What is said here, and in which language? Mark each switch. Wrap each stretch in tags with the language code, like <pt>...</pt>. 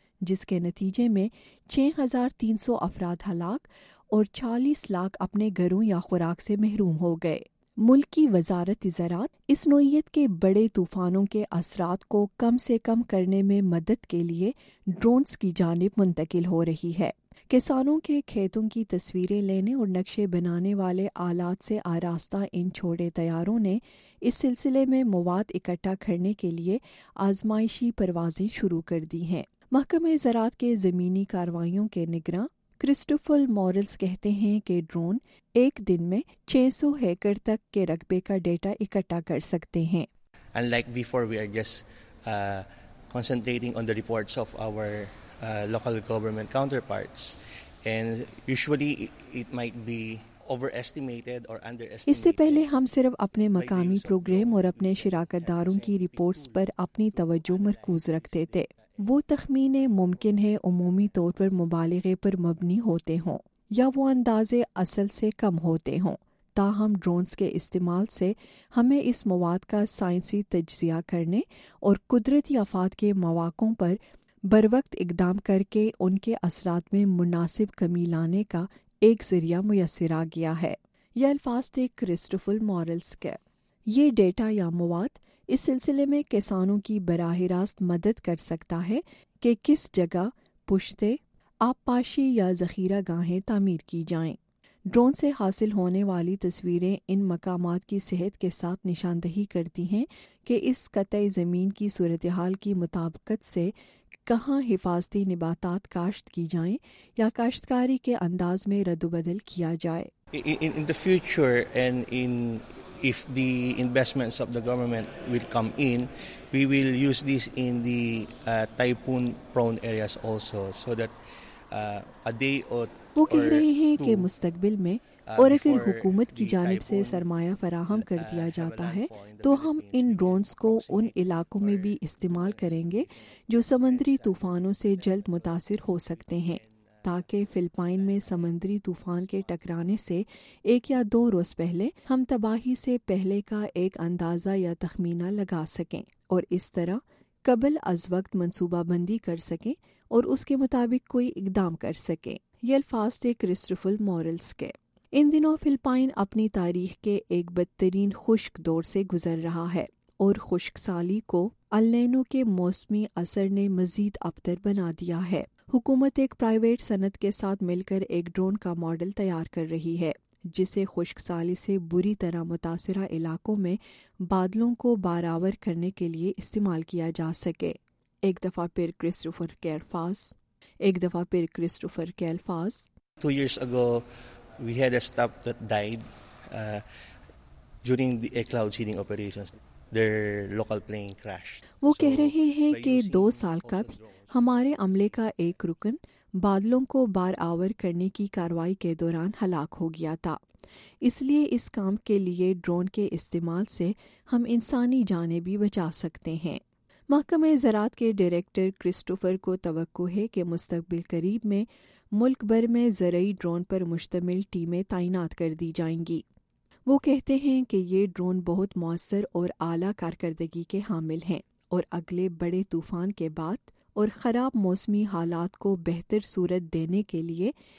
<ur>جس کے نتیجے میں 6,300 افراد ہلاک اور 40,00,000 اپنے گھروں یا خوراک سے محروم ہو گئے۔ ملکی وزارت زراعت اس نوعیت کے بڑے طوفانوں کے اثرات کو کم سے کم کرنے میں مدد کے لیے ڈرونز کی جانب منتقل ہو رہی ہے۔ کسانوں کے کھیتوں کی تصویریں لینے اور نقشے بنانے والے آلات سے آراستہ ان چھوٹے طیاروں نے اس سلسلے میں مواد اکٹھا کرنے کے لیے آزمائشی پروازیں شروع کر دی ہیں۔ محکمہ زراعت کے زمینی کاروائیوں کے نگراں کرسٹوفر مورلز کہتے ہیں کہ ڈرون ایک دن میں 600 ہیکر تک کے رقبے کا ڈیٹا اکٹھا کر سکتے ہیں۔</ur> <en>And like before, we are just concentrating on the reports of our local government counterparts. And usually it might be overestimated or underestimated.</en> <ur>اس سے پہلے ہم صرف اپنے مقامی پروگرام اور اپنے شراکت داروں کی رپورٹس پر اپنی توجہ مرکوز رکھتے تھے۔ وہ تخمینیں ممکن ہے عمومی طور پر مبالغے پر مبنی ہوتے ہوں یا وہ اندازے اصل سے کم ہوتے ہوں۔ تاہم ڈرونز کے استعمال سے ہمیں اس مواد کا سائنسی تجزیہ کرنے اور قدرتی آفات کے مواقع پر بروقت اقدام کر کے ان کے اثرات میں مناسب کمی لانے کا ایک ذریعہ میسر آ گیا ہے۔ یہ الفاظ تھے کرسٹوفر مورلز کے۔ یہ ڈیٹا یا مواد اس سلسلے میں کسانوں کی براہ راست مدد کر سکتا ہے کہ کس جگہ پشتے، آبپاشی یا ذخیرہ گاہیں تعمیر کی جائیں۔ ڈرون سے حاصل ہونے والی تصویریں ان مقامات کی صحت کے ساتھ نشاندہی کرتی ہیں کہ اس قطع زمین کی صورتحال کی مطابقت سے کہاں حفاظتی نباتات کاشت کی جائیں یا کاشتکاری کے انداز میں رد و بدل کیا جائے۔</ur> <en>In the future and in if the investments of the government will come in, we will use this in the typhoon prone areas also, so that a day or two,</en> <ur>وہ کہہ رہے ہیں کہ مستقبل میں اور اگر حکومت کی جانب سے سرمایہ فراہم کر دیا جاتا ہے تو ہم ان ڈرونز کو ان علاقوں میں بھی استعمال کریں گے جو سمندری طوفانوں سے جلد متاثر ہو سکتے ہیں، تاکہ فلپائن میں سمندری طوفان کے ٹکرانے سے ایک یا دو روز پہلے ہم تباہی سے پہلے کا ایک اندازہ یا تخمینہ لگا سکیں اور اس طرح قبل از وقت منصوبہ بندی کر سکیں اور اس کے مطابق کوئی اقدام کر سکیں۔ یہ الفاظ تھے کرسٹوفر مورلز کے۔ ان دنوں فلپائن اپنی تاریخ کے ایک بدترین خشک دور سے گزر رہا ہے اور خشک سالی کو النینو کے موسمی اثر نے مزید ابتر بنا دیا ہے۔ حکومت ایک پرائیویٹ صنعت کے ساتھ مل کر ایک ڈرون کا ماڈل تیار کر رہی ہے جسے خشک سالی سے بری طرح متاثرہ علاقوں میں بادلوں کو باراور کرنے کے لیے استعمال کیا جا سکے۔ ایک دفعہ پھر کرسٹوفر کے الفاظ۔</ur> <en>2 years ago we had a staff that died during the cloud seeding operations. Their local plane crashed.</en> <ur>وہ کہہ رہے ہیں کہ 2 سال قبل ہمارے عملے کا ایک رکن بادلوں کو بار آور کرنے کی کاروائی کے دوران ہلاک ہو گیا تھا، اس لیے اس کام کے لیے ڈرون کے استعمال سے ہم انسانی جانیں بھی بچا سکتے ہیں۔ محکمہ زراعت کے ڈائریکٹر کرسٹوفر کو توقع ہے کہ مستقبل قریب میں ملک بھر میں زرعی ڈرون پر مشتمل ٹیمیں تعینات کر دی جائیں گی۔ وہ کہتے ہیں کہ یہ ڈرون بہت مؤثر اور اعلیٰ کارکردگی کے حامل ہیں اور اگلے بڑے طوفان کے بعد اور خراب موسمی حالات کو بہتر صورت دینے کے لیے</ur>